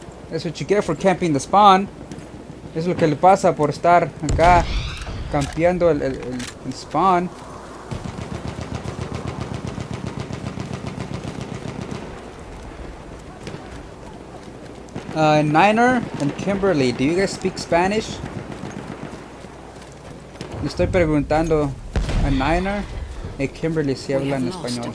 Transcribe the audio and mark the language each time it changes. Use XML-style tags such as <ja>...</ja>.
<en>That's what you get for camping the spawn.</en> <es>Es lo que le pasa por estar acá campeando el spawn.</es> <en>Niner and Kimberly, do you guys speak Spanish?</en> <es>Le estoy preguntando a Niner y Kimberly si hablan en español.</es>